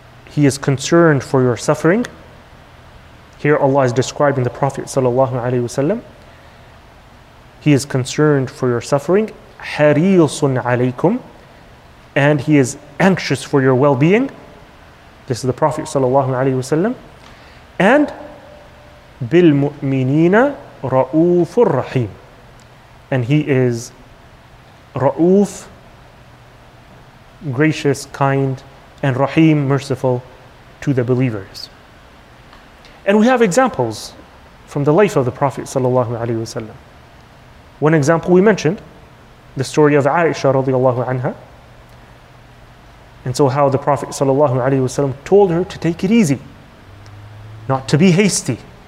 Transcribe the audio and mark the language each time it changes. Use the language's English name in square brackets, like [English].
[English] He is concerned for your suffering. Here Allah is describing the Prophet sallallahu alaihi wasallam. He is concerned for your suffering. [Arabic] حَرِيصٌ عَلَيْكُمْ. [English] And He is anxious for your well-being. This is the Prophet sallallahu alaihi wasallam. [Arabic] And بِالْمُؤْمِنِينَ رَؤُوفُ الرَّحِيمُ. [English] And He is Ra'uf, gracious, kind, and Rahim, merciful to the believers. And we have examples from the life of the Prophet sallallahu alaihi wasallam. One example we mentioned, the story of Aisha radiallahu anha, and so how the Prophet sallallahu alaihi wasallam told her to take it easy, not to be hasty.